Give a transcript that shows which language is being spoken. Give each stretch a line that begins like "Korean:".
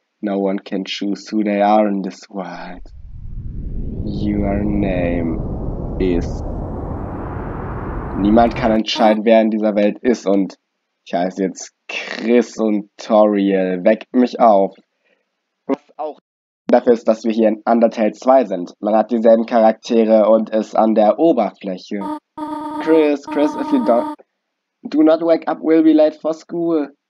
English: No one can choose who they are in this world. Your name is.
German: Niemand kann entscheiden, wer in dieser Welt ist, und ich heiße jetzt Chris und Toriel. Weck mich auf. Was auch dafür ist, dass wir hier in Undertale 2 sind. Man hat dieselben Charaktere und ist an der Oberfläche.
English: Chris, if you don't. Do not wake up, we'll be late for school.